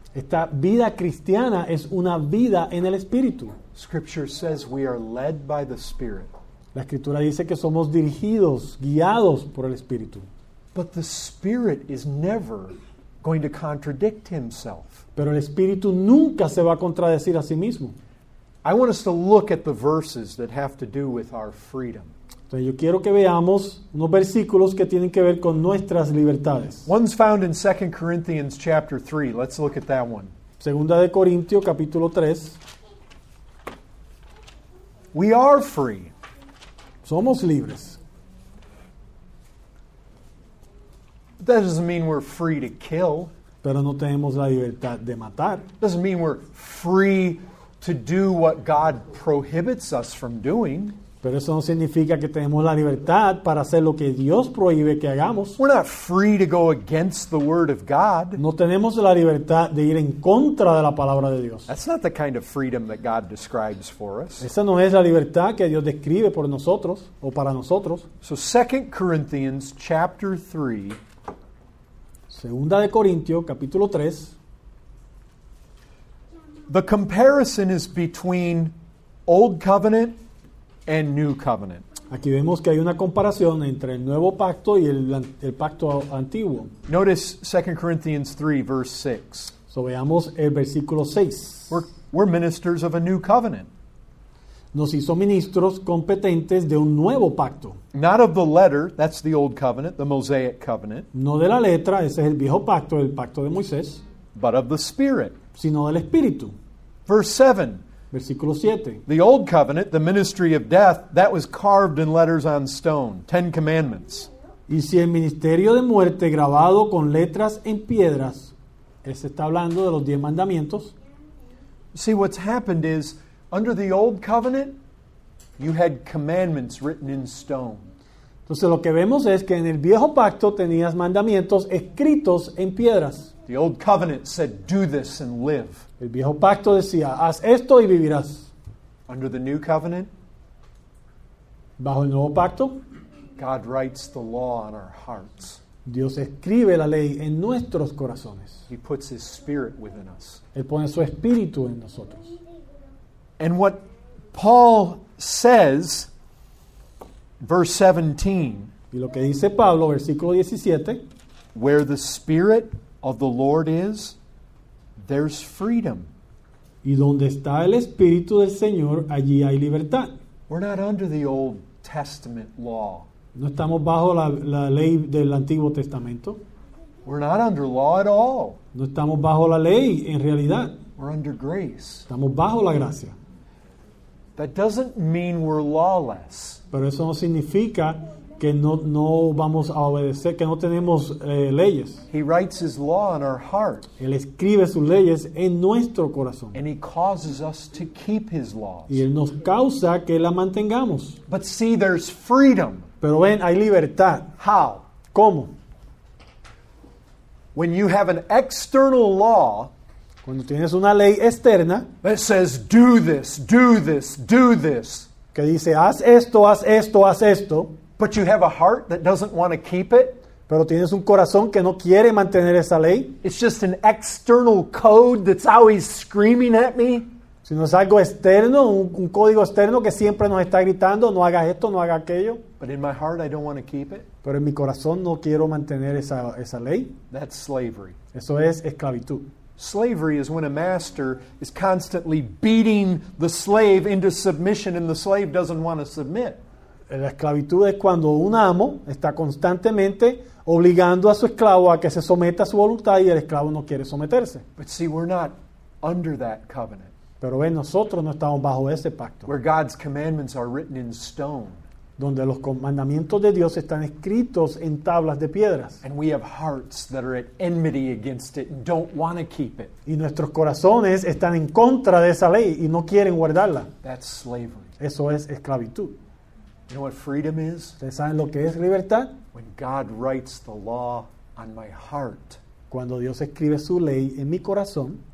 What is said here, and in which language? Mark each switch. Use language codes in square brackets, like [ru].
[es] Esta vida cristiana es una vida en el Espíritu. [en] Scripture says we are led by the Spirit. [es] La Escritura dice que somos dirigidos, guiados por el Espíritu. [en] But the Spirit is never going to contradict himself. [es] Pero el Espíritu nunca se va a contradecir a sí mismo. [en] I want us to look at the verses that have to do with our freedom. [es] Entonces yo quiero que veamos unos versículos que tienen que ver con nuestras libertades. [en] One's found in 2 Corinthians chapter 3. Let's look at that one. [es] Segunda de Corintios capítulo 3. [en] We are free. [es] Somos libres. [en] But that doesn't mean we're free to kill. [es] Pero no tenemos la libertad de matar. [en] Doesn't mean we're free to do what God prohibits us from doing. [es] Pero eso no significa que tenemos la libertad para hacer lo que Dios prohíbe que hagamos. [en] We're not free to go against the word of God. [es] No tenemos la libertad de ir en contra de la palabra de Dios. [en] That's not the kind of freedom that God describes for us. [es] Esa no es la libertad que Dios describe por nosotros o para nosotros. [en] So 2 Corinthians chapter 3. [es] Segunda de Corintios capítulo 3. [en] The comparison is between Old Covenant and New Covenant. [es] Aquí vemos que hay una comparación entre el Nuevo Pacto y el Pacto Antiguo. [en] Notice 2 Corinthians 3, verse 6. [es] So veamos el versículo 6. [en] We're ministers of a New Covenant. [es] Nos hizo ministros competentes de un nuevo pacto. [en] Not of the letter, that's the Old Covenant, the Mosaic Covenant. [es] No de la letra, ese es el viejo pacto, el pacto de Moisés. [en] But of the Spirit. [es] Sino del Espíritu. [en] Verse 7. [es] Versículo 7. [en] The Old Covenant, the ministry of death, that was carved in letters on stone. Ten Commandments. [es] Y si el ministerio de muerte grabado con letras en piedras, ese está hablando de los diez mandamientos. [en] See, what's happened is, under the Old Covenant, you had commandments written in stone. [es] Entonces lo que vemos es que en el viejo pacto tenías mandamientos escritos en piedras. [en] The Old Covenant said, do this and live. [es] El viejo pacto decía, haz esto y vivirás. [en] Under the New Covenant, [es] bajo el nuevo pacto, [en] God writes the law on our hearts. [es] Dios escribe la ley en nuestros corazones. [en] He puts his Spirit within us. [es] Él pone su Espíritu en nosotros. [en] And what Paul says, verse 17, [es] y lo que dice Pablo, versículo 17, [en] where the Spirit of the Lord is, there's freedom. [es] Y donde está el Espíritu del Señor, allí hay libertad. [en] We're not under the Old Testament law. [es] No estamos bajo la ley del Antiguo Testamento. [en] We're not under law at all. [es] No estamos bajo la ley en realidad. [en] We're under grace. [es] Estamos bajo la gracia. [en] That doesn't mean we're lawless. [es] Pero eso no significa que no vamos a obedecer, que no tenemos leyes. [en] He writes his law in our heart. [es] Él escribe sus leyes en nuestro corazón. [en] And he causes us to keep his laws. [es] Y él nos causa que la mantengamos. [en] But see, there's freedom. [es] Pero ven, hay libertad. [en] How? [es] ¿Cómo? [en] When you have an external law. [es] Cuando tienes una ley externa, [en] that says, do this, do this, do this. [es] Que dice, haz esto, haz esto, haz esto. [en] But you have a heart that doesn't want to keep it. [es] Pero tienes un corazón que no quiere mantener esa ley. [en] It's just an external code that's always screaming at me. [es] Si no es algo externo, un código externo que siempre nos está gritando, no hagas esto, no hagas aquello. [en] But in my heart, I don't want to keep it. [es] Pero en mi corazón no quiero mantener esa ley. [en] That's slavery. [es] Eso es esclavitud. [en] Slavery is when a master is constantly beating the slave into submission and the slave doesn't want to submit. [es] La esclavitud es cuando un amo está constantemente obligando a su esclavo a que se someta a su voluntad y el esclavo no quiere someterse. [en] But see, we're not under that covenant. [es] Pero ven, nosotros no estamos bajo ese pacto. [en] Where God's commandments are written in stone. [es] donde los mandamientos de Dios están escritos en tablas de piedras. [en] And we have hearts that are at enmity against it and don't want to keep it. [es] Y nuestros corazones están en contra de esa ley y no quieren guardarla. [en] That's slavery. [es] Eso es esclavitud. [en] You know what freedom is? [es] ¿Ustedes saben lo que es libertad? [en] When God writes the law on my heart. Cuando Dios escribe su ley en mi corazón,